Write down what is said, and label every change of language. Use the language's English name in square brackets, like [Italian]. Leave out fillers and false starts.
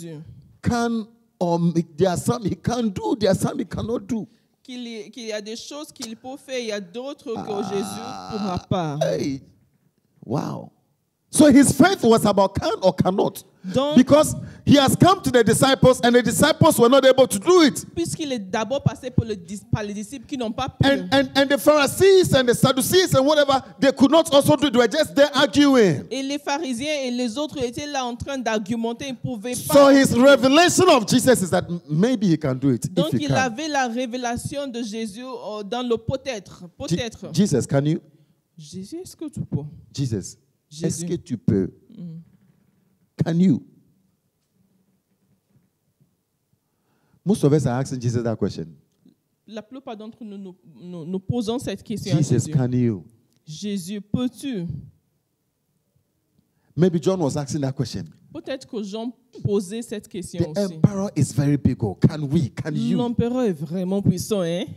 [English] That Jesus can there are some he can do, there are some he cannot do. [French] Qu'il y a des choses qu'il peut faire, il y a d'autres que Jésus ne pourra pas. Hey. Wow. [English] So his faith was about can or cannot. [French] Donc, [English] because he has come to the disciples and the disciples were not able to do it. [French] Puisqu'il est d'abord passé par les disciples qui n'ont pas pu. [English] And the Pharisees and the Sadducees and whatever, they could not also do it. They were just there arguing. [French] Et les pharisiens et les autres étaient là en train d'argumenter, ils pouvaient pas. [English] So his revelation of Jesus is that maybe he can do it. [French] Donc [English] if [French] il avait la révélation de Jésus dans le peut-être. [English] Jesus, can you? [French] Jésus, est-ce que tu peux? Jesus. Jésus. Est-ce que tu peux? [English] Can you? Most of us are asking Jesus that question. [French] La plupart d'entre nous nous posons cette question. [English] Jesus, can you? [French] Jésus, peux-tu? [English] Maybe John was asking that question. [French] Peut-être que Jean posait cette question [English] the [French] aussi. [English] The emperor is very big. Can we? Can you? [French] L'empereur est vraiment puissant, hein?